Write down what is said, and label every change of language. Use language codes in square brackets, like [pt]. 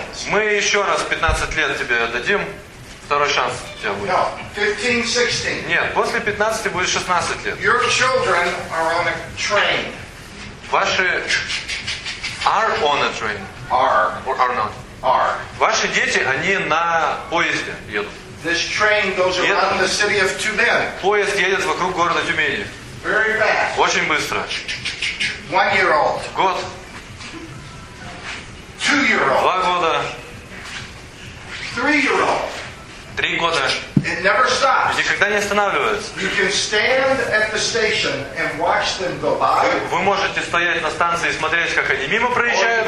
[ru] Мы еще раз 15 лет тебе дадим. Второй шанс у тебя будет. [en] No, 15-16. [ru] Нет, после 15 будет 16 лет. [en] Your children are on a train. Ваши are on a train. Are. Or are not. Are. [ru] Ваши дети, они на поезде едут. [en] This train goes around the city of Tumen. [ru] Поезд едет вокруг города Тюмени. [en] Very fast. [ru] Очень быстро. [en] 1-year-old. [ru] Год. [en] 2-year-old. [ru] Два года. [en] 3-year-old. [ru] Три года. [en] It never stops. [ru] Никогда не останавливается. [en] You can stand at the station and watch them go by. [ru] Вы можете стоять на станции и смотреть, как они мимо проезжают.